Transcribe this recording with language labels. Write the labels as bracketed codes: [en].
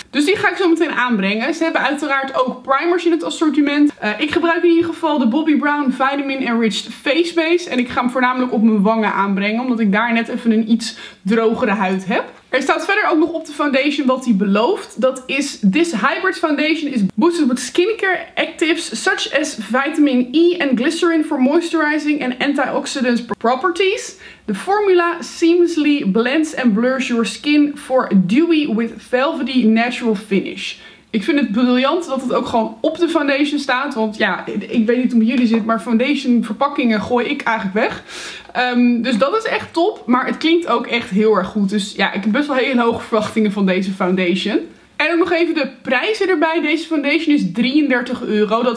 [nl] Dus die ga ik zo meteen aanbrengen. Ze hebben uiteraard ook primers in het assortiment. Ik gebruik in ieder geval de Bobbi Brown Vitamin Enriched Face Base. En ik ga hem voornamelijk op mijn wangen aanbrengen, omdat ik daar net even een iets drogere huid heb. Er staat verder ook nog op de foundation wat hij belooft. Dat is: [en] this hybrid foundation is boosted with skincare actives such as vitamin E and glycerin for moisturizing and antioxidant properties. The formula seamlessly blends and blurs your skin for dewy with velvety natural finish. [nl] Ik vind het briljant dat het ook gewoon op de foundation staat. Want ja, ik weet niet hoe het jullie zit, maar foundation verpakkingen gooi ik eigenlijk weg. Dus dat is echt top, maar het klinkt ook echt heel erg goed. Dus ja, ik heb best wel hele hoge verwachtingen van deze foundation. En ook nog even de prijzen erbij. Deze foundation is €33.